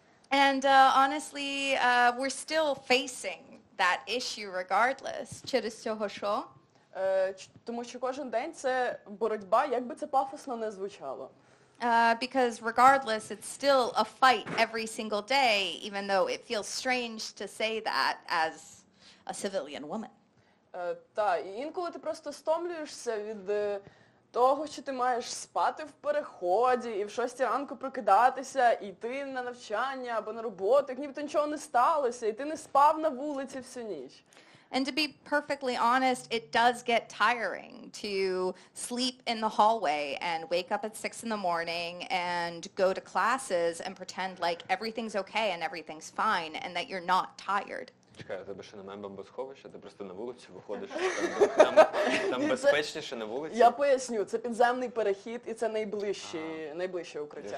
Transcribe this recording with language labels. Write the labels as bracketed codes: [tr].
[en] And honestly, we're still facing that issue regardless. [uk] Через цього що? Тому що кожен день це боротьба, як би це пафосно не звучало. [en] Because regardless, it's still a fight every single day, even though it feels strange to say that as a civilian woman. [uk] Так, інколи ти просто стомлюєшся від того, що ти маєш спати в переході і в 6 ранку прокидатися, іти на навчання або на роботу, як нібито нічого не сталося, і ти не спав на вулиці всю ніч. [en] And to be perfectly honest, it does get tiring to sleep in the hallway and wake up at 6 in the morning and go to classes and pretend like everything's okay and everything's fine and that you're not tired. [uk] Чекай, тебе ще немає бомбосховища, ти просто на вулицю виходиш, там безпечніше на вулиці. Я поясню, це підземний перехід і це найближче укриття.